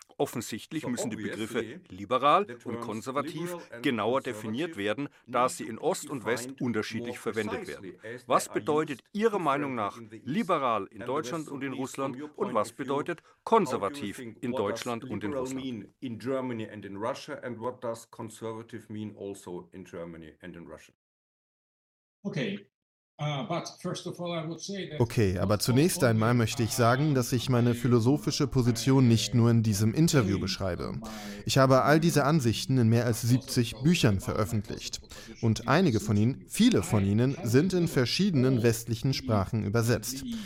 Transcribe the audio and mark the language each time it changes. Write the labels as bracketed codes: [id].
[de] offensichtlich müssen die Begriffe liberal und konservativ genauer definiert werden, da sie in Ost und West unterschiedlich verwendet werden. Was bedeutet Ihrer Meinung nach liberal in Deutschland und in Russland und was bedeutet konservativ in Deutschland und in Russland? [en] In Germany and in Russia and what does conservative mean also in Germany and in Russia? [de] Okay, aber zunächst einmal möchte ich sagen, dass ich meine philosophische Position nicht nur in diesem Interview beschreibe. Ich habe all diese Ansichten in mehr als 70 Büchern veröffentlicht. Und einige von ihnen, viele von ihnen, sind in verschiedenen westlichen Sprachen übersetzt.